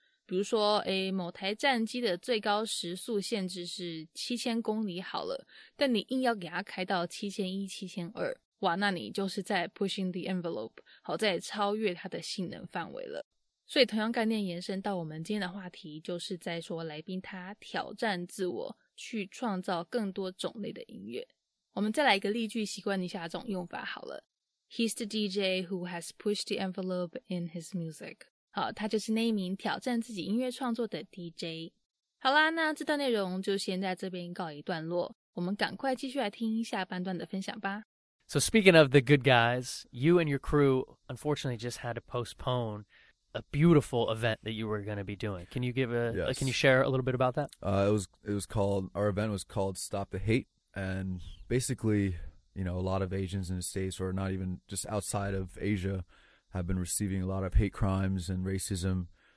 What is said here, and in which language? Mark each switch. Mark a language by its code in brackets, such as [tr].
[zh] 比如说，某台战机的最高时速限制是7000公里好了，但你硬要给它开到7100、7200，哇，那你就是在 [en] pushing the envelope， [zh] 好，在超越它的性能范围了。所以同样概念延伸到我们今天的话题，就是在说来宾他挑战自我，去创造更多种类的音乐。我们再来一个例句，习惯一下这种用法好了。 [en] He's the DJ who has pushed the envelope in his music. [zh] 好，他就是那一名挑战自己音乐创作的 DJ。好啦，那这段内容就先在这边告一段落，我们赶快继续来听下半段的分享吧。 [en] So speaking of the good guys, you and your crew unfortunately just had to postpone a beautiful event that you were going to be doing. Can you give a, yes. Can you share a little bit about that? Our event was called Stop the Hate. And basically, you know, a lot of Asians in the States, or not even just outside of Asia, have been receiving a lot of hate crimes and racism.